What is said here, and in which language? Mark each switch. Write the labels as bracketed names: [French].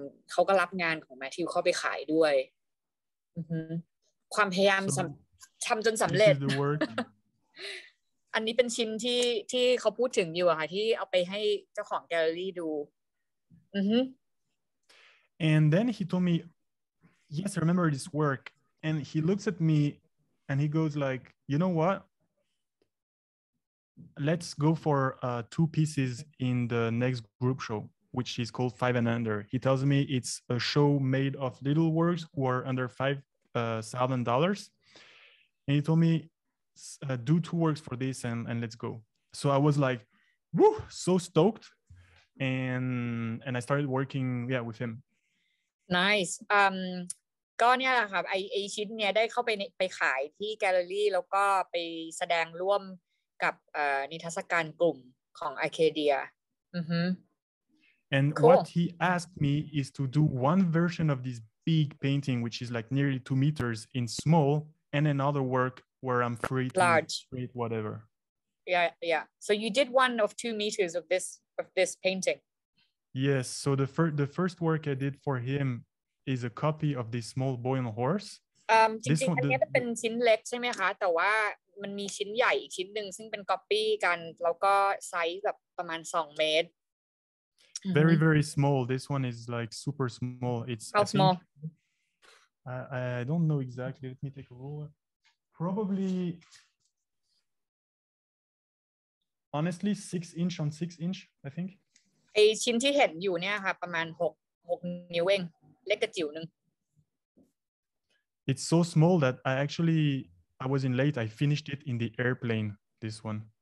[Thai] เขาก็รับงานของแมทธิวเข้าไปขายด้วยความพยายาม ทำจนสำเร็จ อันนี้เป็นชิ้นที่เขาพูดถึงอยู่อะค่ะที่เอาไปให้เจ้าของแกลเลอรี่ดู [English] And then he told me, yes, I remember this work. And he looks at me and he goes like, you know what? Let's go for two pieces in the next group show, which is called Five and Under. He tells me it's a show made of little works who are under $5,000. And he told me, do two works for this and let's go. So I was like, woo, so stoked. And I started working, with him. Nice. [Thai] ก็เนี่ยแหละครับไอชิ้นเนี่ยได้เข้าไปขายที่แกลเลอรี่แล้วก็ไปแสดงร่วมกับนิทรรศการกลุ่มของ Acadia. [English] And cool. What he asked me is to do one version of this big painting, which is like nearly 2 meters in small, and another work where I'm free to create whatever. Yeah. So you did one of 2 meters of this painting. Yes, so the first work I did for him is a copy of this small boy on a horse. This one, the... [Thai] อันนี้เป็นชิ้นเล็กใช่ไหมคะแต่ว่ามันมีชิ้นใหญ่อีกชิ้นหนึ่งซึ่งเป็นก๊อปปี้กันแล้วก็ไซส์แบบประมาณ2 เมตร [English] Very very small. This one is like super small. It's how small? I don't know exactly. Let me take a roll. Probably, honestly, 6 inch on 6 inch. I think. [Thai] ไอ้ชิ้นที่เห็นอยู่เนี่ยค่ะประมาณ6นิ้วเองเล็กกระจิ๋วนึง [English] It's so small that I was in late. I finished it in the airplane, this one.